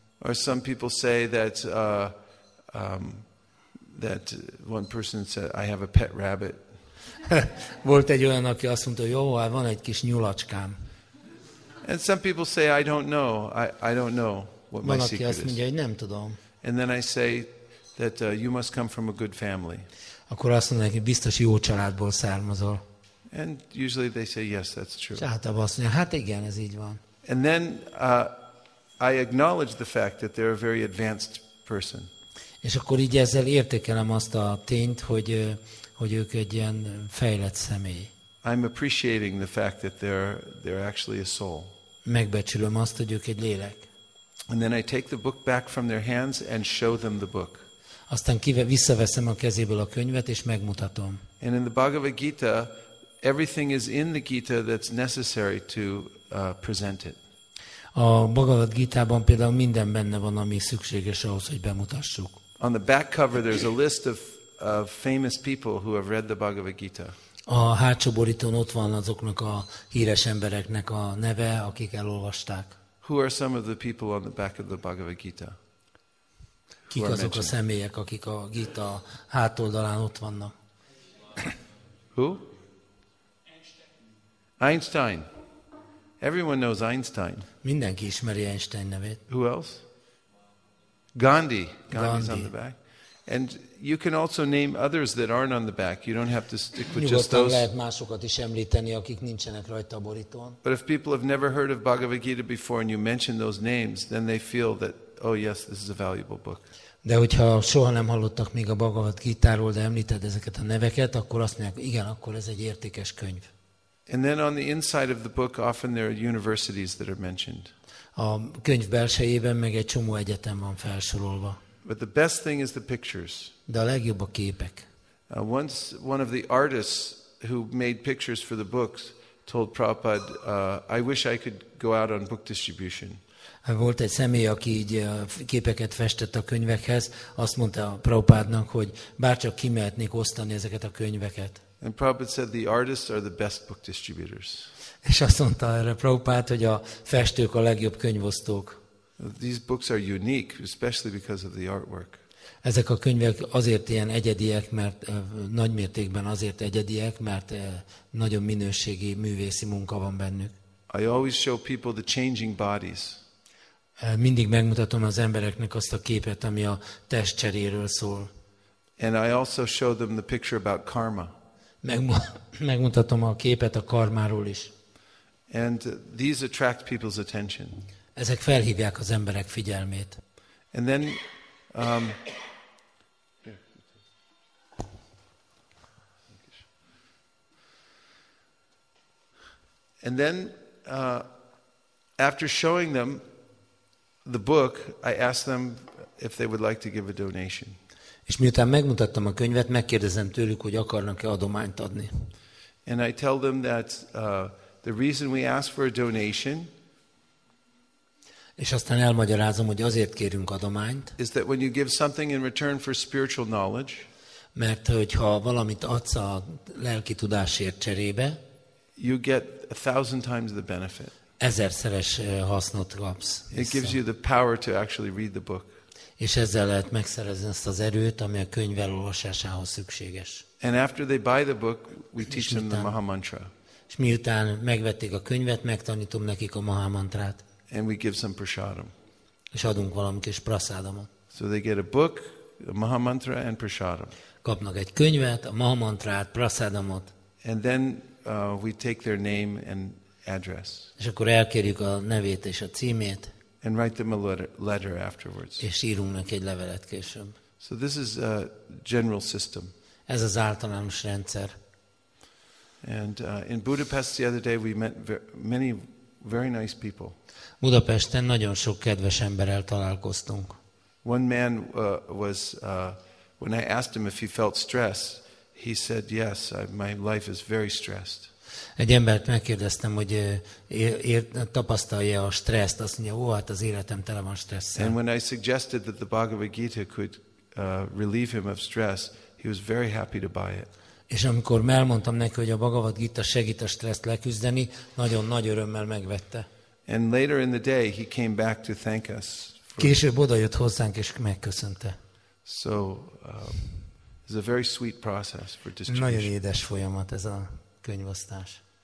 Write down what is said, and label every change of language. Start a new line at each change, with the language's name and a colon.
English: Or some people say that that one person said, I have a pet rabbit.
Hungarian: Volt egy olyan, aki azt mondta, jó, hát van egy kis nyulacskám.
English: And some people say, I don't know. I don't know what
Hungarian: van,
English: my secret is.
Hungarian: Van, aki azt mondja, hogy nem tudom.
English: And then I say, that you must come from a good family.
Hungarian: Akkor azt mondják, hogy biztos jó családból származol.
English: And usually they say yes, that's true.
Hungarian: Hát azt mondják, hát igen, ez így van.
English: And then I acknowledge the fact that they're a very advanced person.
Hungarian: És akkor így ezzel értékelem azt a tényt, hogy ők egy ilyen fejlett személy.
English: I'm appreciating the fact that they're actually a soul.
Hungarian: Megbecsülöm azt, hogy ők egy lélek.
English: And then I take the book back from their hands and show them the book.
Hungarian: Aztán visszaveszem a kezéből a könyvet és megmutatom.
English: And in the Bhagavad Gita, everything is in the Gita that's necessary to present it.
Hungarian: A Bhagavad Gitában például minden benne van, ami szükséges ahhoz, hogy bemutassuk.
English: On the back cover there's a list of famous people who have read the Bhagavad Gita.
Hungarian: A hátsó borítón ott van azoknak a híres embereknek a neve, akik elolvasták.
English: Who are some of the people on the back of the Bhagavad Gita?
Hungarian: Kik azok a személyek, akik a Gita hátoldalán ott vannak?
English: Who? Einstein. Everyone knows Einstein.
Hungarian: Mindenki ismeri Einstein nevét.
English: Who else? Gandhi. Gandhi's on the back. And you can also name others that aren't on the back. You don't have to stick with just those.
Hungarian: Nyugodtan lehet másokat is említeni, akik nincsenek rajta a borítón.
English: But if people have never heard of Bhagavad Gita before and you mention those names, then they feel that, oh yes, this is a valuable book.
Hungarian: De hogyha soha nem hallottak még a Bhagavad Gitáról, de említed ezeket a neveket, akkor azt mondják, igen, akkor ez egy értékes könyv.
English: And then on the inside of the book, often there are universities that are mentioned.
Hungarian: A könyv belsejében meg egy csomó egyetem van felsorolva.
English: But the best thing is the pictures.
Hungarian: De a legjobb a képek.
English: Once one of the artists who made pictures for the books told Prabhupada, I wish I could go out on book distribution.
Hungarian: Volt egy személy, aki így képeket festett a könyvekhez, azt mondta Prabhupádnak, hogy bárcsak kimehetnék osztani ezeket a könyveket.
English: And Prabhupada said the artists are the best book distributors.
Hungarian: És azt mondta erre Prabhupád, hogy a festők a legjobb könyvosztók.
English: These books are unique, especially because of the artwork.
Hungarian: Ezek a könyvek azért ilyen egyediek, mert nagy mértékben azért egyediek, mert nagyon minőségi művészi munka van bennük.
English: I always show people the changing bodies.
Hungarian: Mindig megmutatom az embereknek azt a képet, ami a testcseréről szól.
English: And I also show them the picture about karma.
Hungarian: Megmutatom a képet a karmáról is.
English: And these attract people's attention.
Hungarian: Ezek felhívják az emberek figyelmét.
English: And then after showing them the book, I asked them if they would like to give a donation.
Hungarian: És miután megmutattam a könyvet, megkérdezem tőlük, hogy akarnak-e adományt adni.
English: And I tell them that the reason we ask for a donation.
Hungarian: És aztán elmagyarázom, hogy azért kérünk adományt.
English: Is that when you give something in return for spiritual knowledge?
Hungarian: Mert hogyha valamit adsz a lelki tudásért cserébe,
English: you get 1,000 times the benefit.
Hungarian: Ezerszeres hasznot kapsz.
English: It gives you the power to actually read the book.
Hungarian: És ezzel lehet megszerezni ezt az erőt, ami a könyv elolvasásához szükséges.
English: And after they buy the book, we teach them the Maha Mantra.
Hungarian: És miután megvették a könyvet, megtanítom nekik a Maha Mantrát.
English: And we give some prasadam.
Hungarian: És adunk valami kis prasadamot.
English: So they get a book, a Maha Mantra and prasadam.
Hungarian: Kapnak egy könyvet, a Maha Mantrát, prasadamot.
English: And then we take their name and address.
Hungarian: És akkor elkérjük a nevét és a címét.
English: And write them a letter afterwards.
Hungarian: És írunk neki egy levelet később.
English: So this is a general system.
Hungarian: Ez az általános rendszer.
English: And in Budapest the other day we met many very nice people.
Hungarian: Budapesten nagyon sok kedves emberrel találkoztunk.
English: One man was when I asked him if he felt stress, he said yes, my life is very stressed.
Hungarian: Egy embert megkérdeztem, hogy tapasztalja a stresszt, azt mondja, hát az életem tele van stresszel.
English: And when I suggested that the Bhagavad Gita could relieve him of stress, he was very happy to buy it.
Hungarian: És amikor elmondtam neki, hogy a Bhagavad Gita segít a stresszt leküzdeni, nagyon nagy örömmel megvette.
English: And later in the day he came back to thank us.
Hungarian: Később odajött hozzánk és megköszönte.
English: So it's a very sweet process for distribution.
Hungarian: Nagyon édes folyamat ez a könyvosztás.